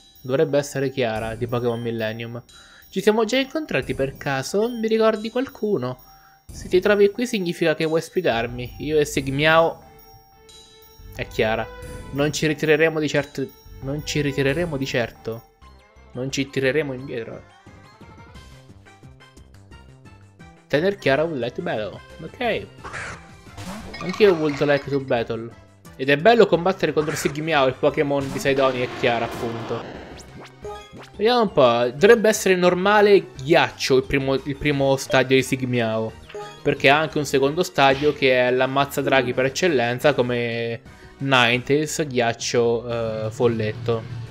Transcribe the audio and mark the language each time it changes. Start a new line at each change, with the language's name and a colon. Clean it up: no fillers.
Italian: Dovrebbe essere Chiara, di Pokémon Millennium. Ci siamo già incontrati per caso? Mi ricordi qualcuno? Se ti trovi qui significa che vuoi sfidarmi. Io e Sigmiao... È Chiara. Non ci ritireremo di certo... Non ci ritireremo di certo. Non ci tireremo indietro.
English: Tener Chiara would like to battle. Ok. Anch'io would like to battle.
Italian: Ed è bello combattere contro Sigmiao, il Pokémon di Sidonia e Chiara, appunto. Vediamo un po', dovrebbe essere normale ghiaccio il primo stadio di Sigmiao, perché ha anche un secondo stadio che è l'ammazza draghi per eccellenza, come Ninetales, ghiaccio folletto.